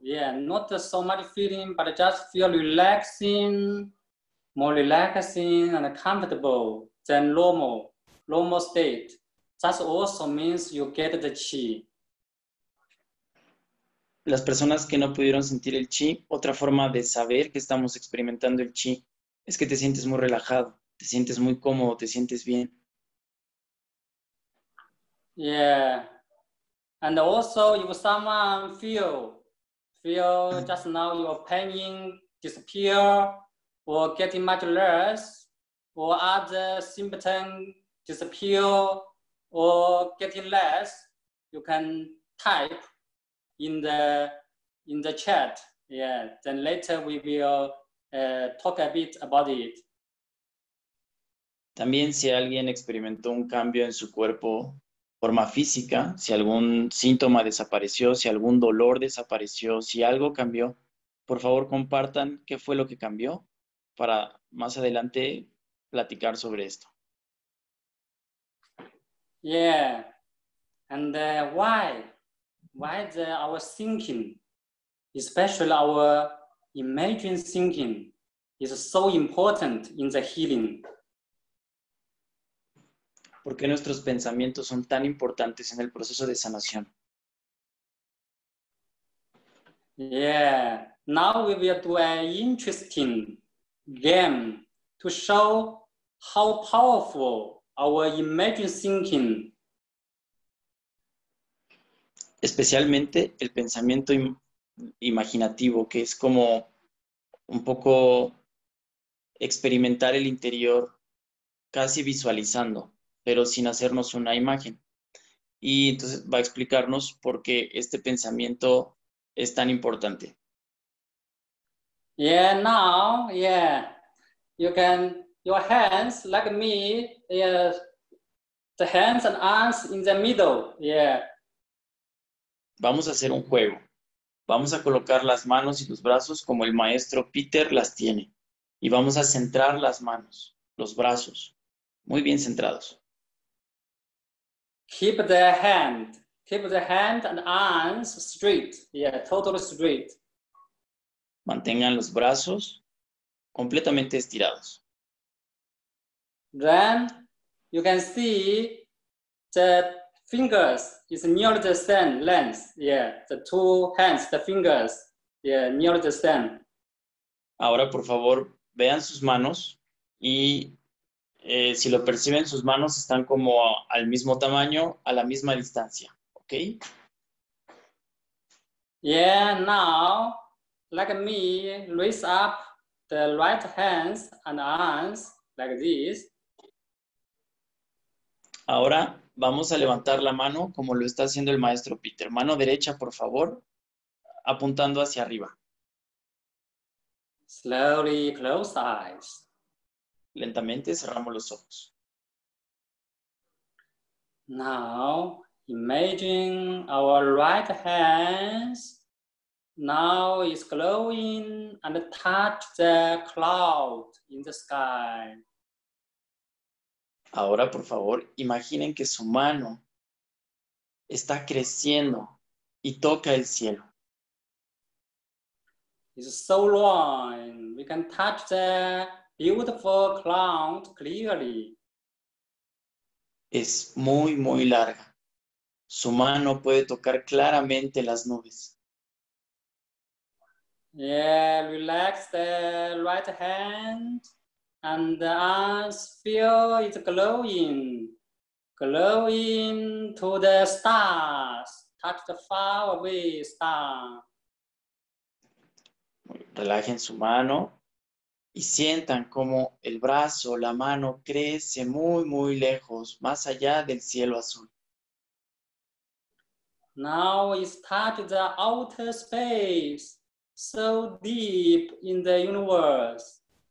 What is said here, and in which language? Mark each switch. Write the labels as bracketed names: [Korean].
[English] Yeah, not so much feeling, but just feel relaxing, more relaxing and comfortable than normal state. That also means you get the chi. [Spanish] Las personas que no pudieron sentir el chi, otra forma de saber que estamos experimentando el chi es que te sientes muy relajado, te sientes muy cómodo, te sientes bien. [English] Yeah. And also, if someone feel just now your pain disappear or getting much less or other symptoms disappear or getting less, you can type in the chat. Yeah, then later we will talk a bit about it. [Spanish] También si alguien experimentó un cambio en su cuerpo, forma física, si algún síntoma desapareció, si algún dolor desapareció, si algo cambió, por favor compartan qué fue lo que cambió para más adelante platicar sobre esto. [English] Yeah, and why the our thinking, especially our imagining thinking, is so important in the healing. [Spanish] ¿Por qué nuestros pensamientos son tan importantes en el proceso de sanación? [English] Yeah, now we will do an interesting game to show how powerful our imagined thinking. [Spanish] Especialmente el pensamiento imaginativo, que es como un poco experimentar el interior casi visualizando, pero sin hacernos una imagen. Y entonces va a explicarnos por qué este pensamiento es tan importante. [English] Yeah, now, yeah. You can, your hands, like me, yeah, the hands and arms in the middle, yeah. [Spanish] Vamos a hacer un juego. Vamos a colocar las manos y los brazos como el maestro Peter las tiene. Y vamos a centrar las manos, los brazos, muy bien centrados. [English] Keep the hand and arms straight. Yeah, totally straight. [Spanish] Mantengan los brazos completamente estirados. [English] Then you can see the fingers is near the same length. Yeah, the two hands, the fingers, yeah, near the same. [Spanish] Ahora, por favor, vean sus manos y si lo perciben, sus manos están como al mismo tamaño, a la misma distancia, ¿ok? [English] Yeah, now, like me, raise up the right hands and arms, like this. [Spanish] Ahora vamos a levantar la mano como lo está haciendo el maestro Peter. Mano derecha, por favor, apuntando hacia arriba. [English] Slowly close eyes. [Spanish] Lentamente cerramos los ojos. [English] Now, imagine our right hands now is glowing and touch the cloud in the sky. [Spanish] Ahora, por favor, imaginen que su mano está creciendo y toca el cielo. [English] It's so long, we can touch the beautiful cloud clearly. [Spanish] Es muy, muy larga. Su mano puede tocar claramente las nubes. [English] Yeah, relax the right hand and the arms feel it glowing. Glowing to the stars. Touch the far away star. [Spanish] Relajen su mano y sientan cómo el brazo, la mano, crece muy, muy lejos, más allá del cielo azul. [English] Now it's touched the outer space, so deep in the universe.